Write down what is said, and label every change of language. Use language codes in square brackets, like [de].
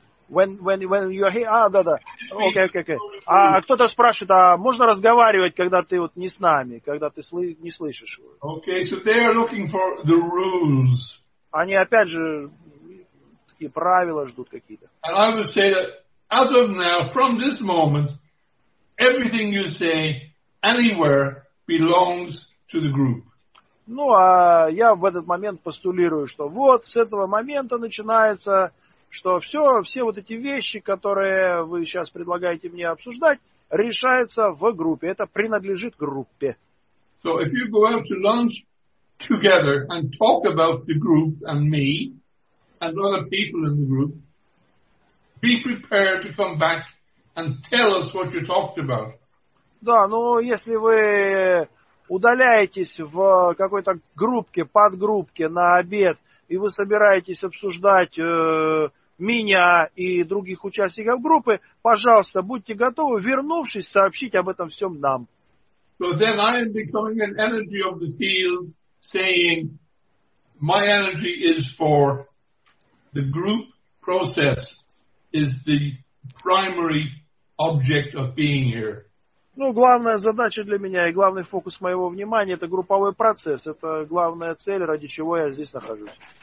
[en] When you're here, да. Okay. [ru] А кто-то спрашивает, а можно разговаривать, когда ты вот не с нами, когда ты не слышишь? [en] Okay, so they are looking for the rules. [ru] Они опять же такие правила ждут какие-то. [en] And I would say that as of now, from this moment, everything you say anywhere belongs to the group. [ru] Ну, а я в этот момент постулирую, что вот с этого момента начинается, что все вот эти вещи, которые вы сейчас предлагаете мне обсуждать, решаются в группе. Это принадлежит группе. [en] So if you go out to lunch together and talk about the group and me and other people in the group, be prepared to come back and tell us what you talked about. [ru] Да, ну если вы удаляетесь в какой-то группке, подгруппке на обед, и вы собираетесь обсуждать меня и других участников группы, пожалуйста, будьте готовы, вернувшись, сообщить об этом всем нам. [en] So then I am becoming an energy of the field, saying my energy is for the group process is the primary object of being here. [ru] Ну, главная задача для меня и главный фокус моего внимания – это групповой процесс. Это главная цель, ради чего я здесь нахожусь.